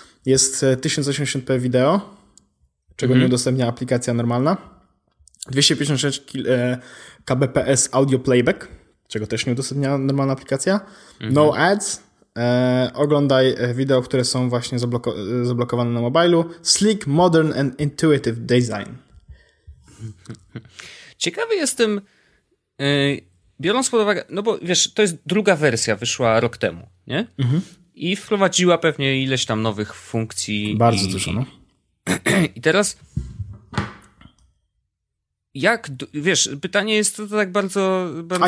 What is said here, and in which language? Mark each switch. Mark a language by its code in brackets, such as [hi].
[pl] Jest 1080p wideo, czego nie udostępnia aplikacja normalna. 256kbps audio playback, czego też nie udostępnia normalna aplikacja. [en] No ads. [pl] Oglądaj wideo, które są właśnie zablokowane na mobilu. [en] Sleek, modern and intuitive design. [pl] Ciekawy jestem... Biorąc pod uwagę, no bo wiesz, to jest druga wersja, wyszła rok temu, nie? I wprowadziła pewnie ileś tam nowych funkcji. Bardzo dużo, no. I teraz, jak, wiesz, pytanie jest to tak bardzo, bardzo